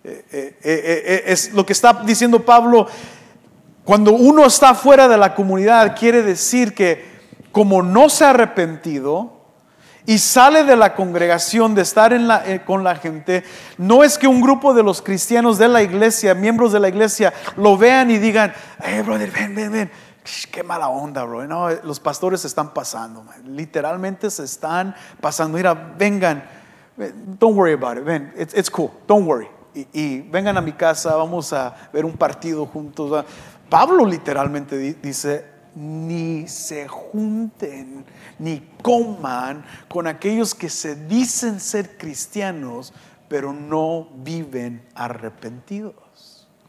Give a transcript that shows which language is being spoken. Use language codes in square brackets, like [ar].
[es] Es lo que está diciendo Pablo. Cuando uno está fuera de la comunidad, quiere decir que como no se ha arrepentido y sale de la congregación, de estar en con la gente, no es que un grupo de los cristianos de la iglesia, miembros de la iglesia, lo vean y digan: [en] hey, brother, [es] ven, qué mala onda, bro. No, los pastores se están pasando, man. Literalmente se están pasando. Mira, vengan, [en] don't worry about it, [es] ven, [en] it's cool, don't worry. [es] Y vengan a mi casa, vamos a ver un partido juntos. Pablo literalmente dice: ni se junten ni coman con aquellos que se dicen ser cristianos pero no viven arrepentidos.